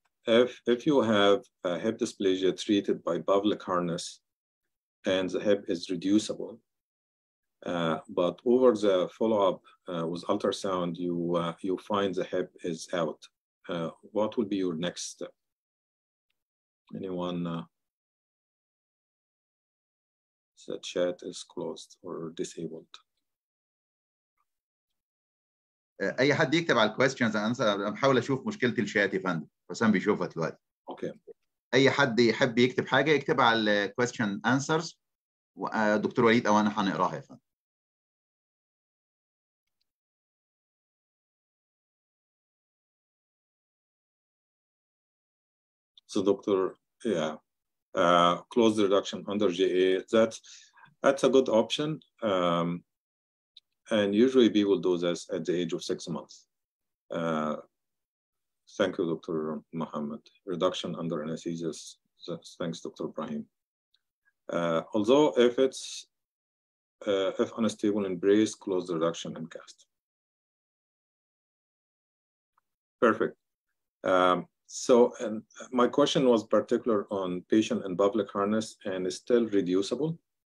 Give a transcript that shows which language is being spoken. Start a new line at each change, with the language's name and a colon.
English: If you have a hip dysplasia treated by Pavlik harness and the hip is reducible, but over the follow-up with ultrasound, you find the hip is out, what would be your next step? Anyone? The chat is closed or disabled.
Arabic: اي حد يكتب على الكويستشنز انا بحاول اشوف مشكله الشات يا فندم حسام بيشوفها دلوقتي اوكي اي حد يحب يكتب حاجه يكتب على الكويستشن انسرز ودكتور وليد او انا هنقراها يا فندم
English: So doctor يا close reduction under G A that a good option And usually people do this at the age of 6 months. Thank you, Dr. Mohammed. Reduction under anesthesia. Thanks, Dr. Ibrahim. Although if it's if unstable in brace, close the reduction and cast. Perfect. So my question was particular on patient in public harness and is still reducible.